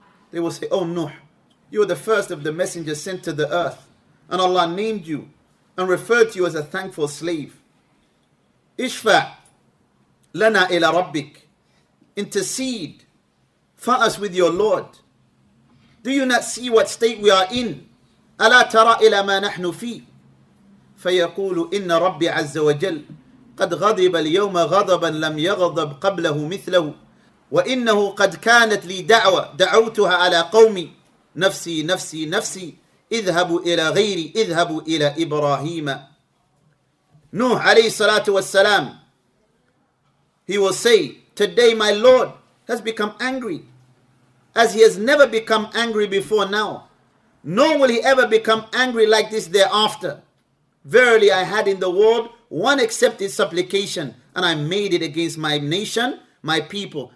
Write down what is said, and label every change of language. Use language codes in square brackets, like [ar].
[en] They will say, oh Nuh, you are the first of the messengers sent to the earth, and Allah named you and referred to you as a thankful slave. [ar] Ishfa' lana ila rabbik, [en] intercede for us with your Lord. Do you not see what state we are in? [ar] Ala tara ila ma nahnu fi? Fayaqulu inna rabbi 'azza wa jalla قد غضب اليوم غضبا لم يغضب قبله مثله وإنه قد كانت لي دعوة دعوتها على قومي نفسي نفسي نفسي اذهبوا إلى غيري اذهبوا إلى إبراهيم. نوح عليه الصلاة والسلام, [en] he will say, today my Lord has become angry as he has never become angry before now, nor will he ever become angry like this thereafter. Verily I had in the world one accepted supplication, and I made it against my nation, my people.